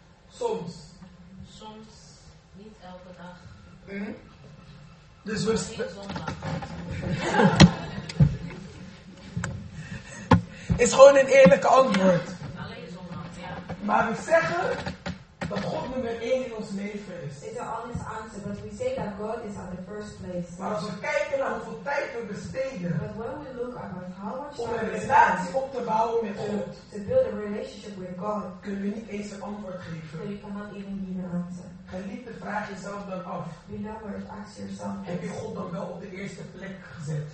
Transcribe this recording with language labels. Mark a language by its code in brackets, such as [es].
[nl] Soms. Soms, niet elke dag. Dus we. Is gewoon een eerlijke antwoord. Ja, alleen zondag, ja. Maar we zeggen. Dat God nummer 1 in ons leven is. [en] It's an honest answer, but we say that God is at the first place. [nl] Maar als we kijken naar hoeveel tijd we besteden. [en] But when we look at how much [nl] om een relatie op te bouwen met God. [en] To build a relationship with God. [nl] Kunnen we niet eens een antwoord geven. [en] So you cannot even give an answer. [nl] Ga niet de vraag jezelf dan af. [en] Remember, ask yourself. [nl] Heb je God dan wel op de eerste plek gezet?